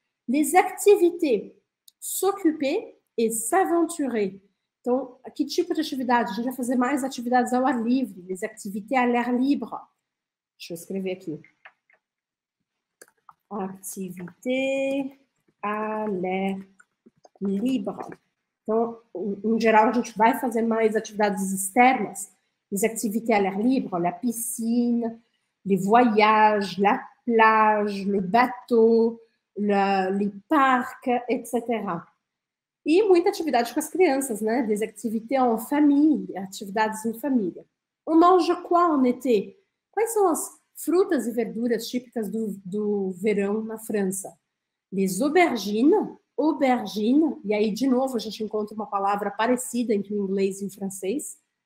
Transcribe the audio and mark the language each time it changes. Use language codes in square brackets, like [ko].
[fr] Les activités, s'occuper et s'aventurer. [pt] Então, que tipo de atividade? A gente vai fazer mais atividades ao ar livre, [fr] les activités à l'air libre. [pt] Deixa eu escrever aqui. [fr] Activité à l'air libre. [pt] Então, em geral, a gente vai fazer mais atividades externas. [fr] Les activités à l'air libre, la piscine, les voyages, la plage, le bateau, les parcs, etc. [pt] E muita atividade com as crianças, né? [fr] Les activités en famille, [pt] atividades em família. [fr] On mange quoi en été? [pt] Quais são as frutas e verduras típicas do verão na França? Les aubergines, aubergine, e aí de novo a gente encontra uma palavra parecida entre o inglês e o francês.